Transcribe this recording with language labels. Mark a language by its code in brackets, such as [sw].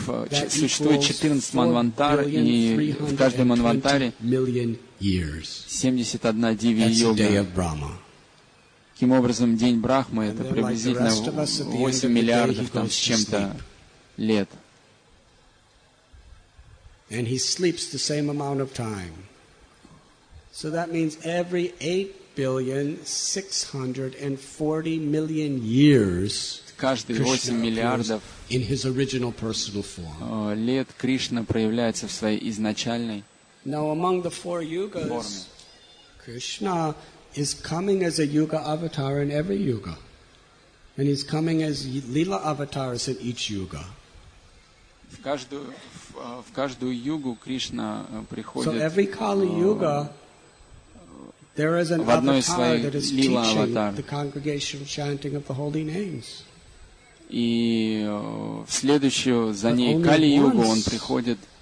[ru] Существует 14 манвантар, и в каждом манвантаре 71 дивья юга. Каким образом день Брахмы это приблизительно 8 миллиардов там с чем-то лет? [en] And he sleeps the same amount of time. So that means every 8,640,000,000 years. [ru] Каждые 8 миллиардов [en] in his original personal form. [ru] Лет Кришна проявляется в своей изначальной форме. [en] Now among the four yugas, Krishna is coming as a yuga avatar in every yuga, and he's coming as lila avatars in each yuga. [ru] В каждую югу Кришна приходит. [en] So every kali yuga. There is an avatar that is teaching the congregational chanting of the holy names. [ru] И в следующую за ней Кали-югу он приходит.